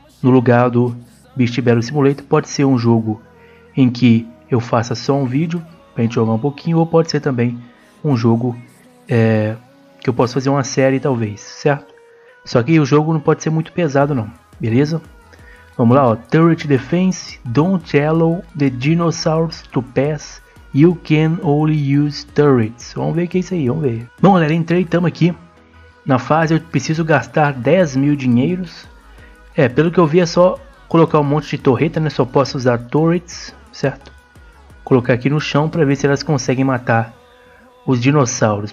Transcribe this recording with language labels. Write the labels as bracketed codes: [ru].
[pt] No lugar do Beast Battle Simulator, pode ser um jogo em que eu faça só um vídeo pra gente jogar um pouquinho, ou pode ser também um jogo que eu posso fazer uma série talvez, certo? Só que o jogo não pode ser muito pesado não, beleza? Vamos lá, ó. [en] Turret Defense, don't allow the dinosaurs to pass, you can only use turrets. [pt] Vamos ver o que é isso aí, vamos ver. Bom, galera, entrei, estamos aqui na fase, eu preciso gastar 10 mil dinheiros. É, pelo que eu vi é só colocar um monte de torreta, né? Só posso usar turrets, certo? Colocar aqui no chão para ver se elas conseguem matar os dinossauros.